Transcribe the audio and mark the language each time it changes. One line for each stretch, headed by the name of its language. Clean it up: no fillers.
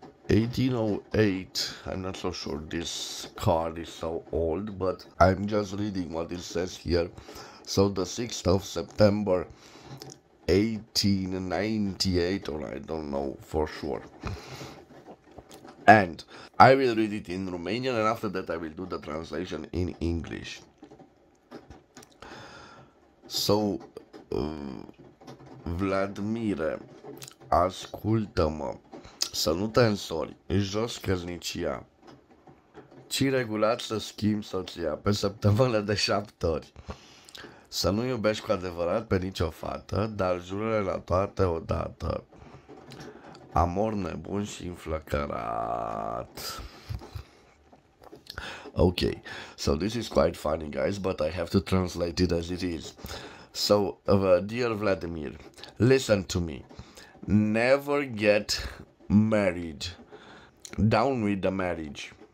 English: 1808. I'm not so sure this card is so old, but I'm just reading what it says here. So the 6th of September 1898, or I don't know for sure. And I will read it in Romanian, and after that I will do the translation in English.
Romanian: So, Vladimire, ascultă-mă. Să nu te însori, jos căsnicia. Ci regulat să schimbi soția pe săptămână de 7 ori. Să nu iubești cu adevărat pe nicio fată, dar jură-le la toate odată. Amor nebun și înflăcărat.
English: Ok, so this is quite funny, guys, but I have to translate it as it is. So, dear Vladimir, listen to me. Never get married. Down with the marriage.